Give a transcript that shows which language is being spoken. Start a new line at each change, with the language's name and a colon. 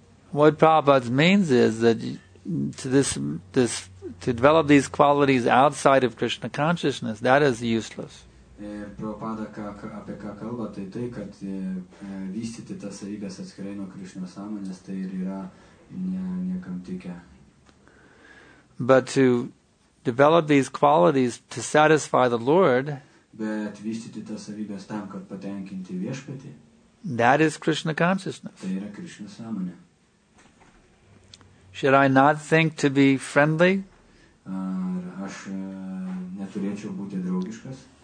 English: what Prabhupada means is that to this to develop these qualities outside of Krishna consciousness, that is useless.
Lithuanian: Prabhupada, apie ką kalba, tai tai, kad vystyti tas savybės atskirai nuo Krišna sąmonės, tai ir yra niekam tikę.
English: But to develop these qualities to satisfy the Lord,
Lithuanian: bet vystyti tas savybės tam, kad patenkinti viešpatį,
English: that is Krishna consciousness.
Lithuanian: Tai yra Krišna sąmonė.
English: Should I not think to be friendly?
Lithuanian: Ar aš neturėčiau būti draugiškas?